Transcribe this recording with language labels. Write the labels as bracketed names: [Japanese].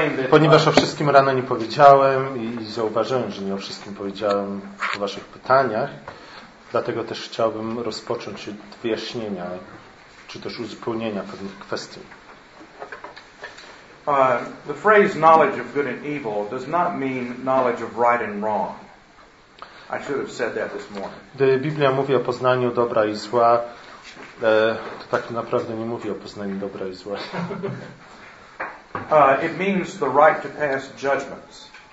[Polish] Ponieważ o wszystkim rano nie powiedziałem i zauważyłem, że nie o wszystkim powiedziałem w waszych pytaniach, dlatego też chciałbym rozpocząć od wyjaśnienia czy też uzupełnienia pewnych kwestii. [English] The phrase knowledge of good and evil does not mean knowledge of right and wrong. I should have said that this morning. [Polish] Gdy Biblia mówi o poznaniu dobra i zła, to tak naprawdę nie mówi o poznaniu dobra i zła. [English] It means the right to pass judgments.